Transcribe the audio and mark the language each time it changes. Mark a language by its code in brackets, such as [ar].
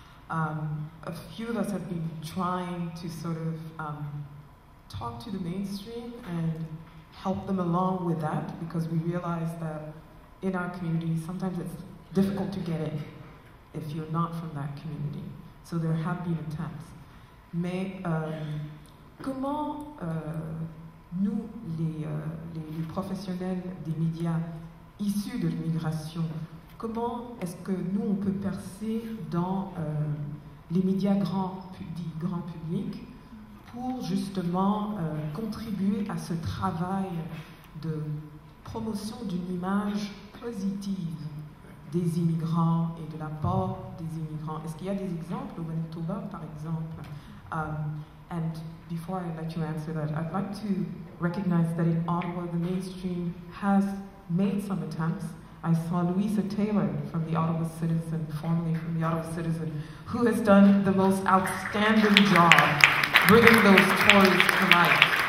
[en] A few of us have been trying to sort of talk to the mainstream and help them along with that because we realize that in our community, sometimes it's difficult to get it if you're not from that community. So there have been attempts. [fr] Mais comment nous, les professionnels des médias issus de l'immigration, comment est-ce que nous, on peut percer dans les médias grand public pour justement contribuer à ce travail de promotion d'une image positive des immigrants et de l'apport des immigrants. Est-ce qu'il y a des exemples au Manitoba, par exemple? [en] And before I let you answer that, I'd like to recognize that in Ottawa, the mainstream has made some attempts. I saw Louisa Taylor from the Ottawa Citizen, formerly from the Ottawa Citizen, who has done the most outstanding job bringing those stories to life.